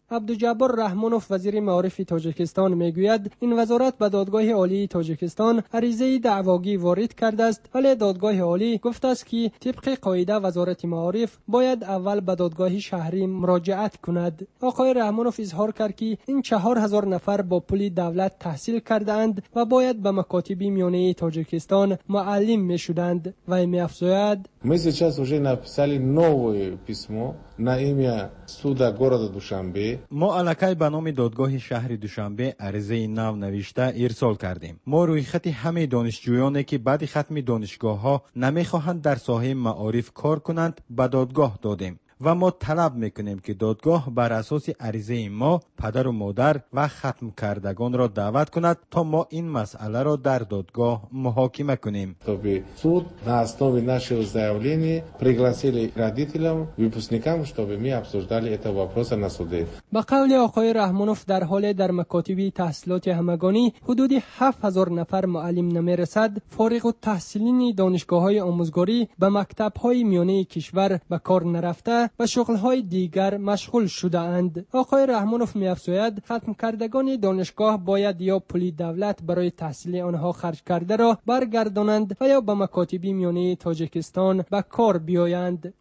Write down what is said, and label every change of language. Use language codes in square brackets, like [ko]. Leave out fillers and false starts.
[fa] عبدالجبار رحمانوف وزیر معارف تاجیکستان میگوید این وزارت به دادگاه عالی تاجیکستان عریضه دعواگی وارد کرده است، ولی دادگاه عالی گفته است که طبق قاعده وزارت معارف باید اول به دادگاه شهری مراجعت کند. آقای رحمانوف اظهار کرد که این 4000 نفر با پول دولت تحصیل کرده اند و باید به مکاتب میانه تاجیکستان معلم می شدند. و می افزاید ما [ru] сейчас уже написали новое письмо на имя суда города Душанбе. [fa] ما علکی به نام دادگاه شهر دوشنبه عرضه نو نوشته ارسال کردیم. ما روی خط همه دانشجویانی که بعد ختم دانشگاه ها نمیخواهند در ساحه معارف کار کنند به دادگاه دادیم و ما طلب میکنیم که دادگاه بر اساس عریضه ما پدر و مادر و ختم کردگان را دعوت کند تا ما این مسئله را در دادگاه محاکمه کنیم. تو به سود [ru] на основе нашего заявления пригласили родителям, выпускникам, чтобы мы обсуждали этот вопрос на суде. [fa] با قول آقای رحمانوف در حال در مکاتب تحصیلات همگانی حدود 7000 نفر معلم نمیرسد، فارغ التحصیلین دانشگاه های آموزگاری به مکتب های میانه کشور به کار نرفته و شغل‌های دیگر مشغول شده اند. آقای رحمانوف می‌افزاید ختم کردگان دانشگاه باید یا پول دولت برای تحصیل آنها خرج کرده را برگردانند و یا به مکاتب میانه تاجیکستان به کار بیایند.